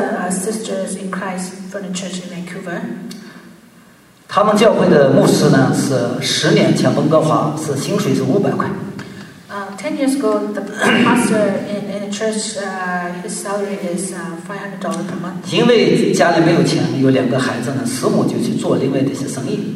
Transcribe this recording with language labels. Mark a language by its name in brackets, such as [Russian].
[English] Sisters in Christ from the church in Vancouver. [Chinese] 他们教会的牧师呢是十年前温哥华是薪水是500块。 [English] Ten years ago, the pastor in the church, his salary is $500 per month. [Chinese] 因为家里没有钱，有两个孩子呢，师母就去做另外的一些生意。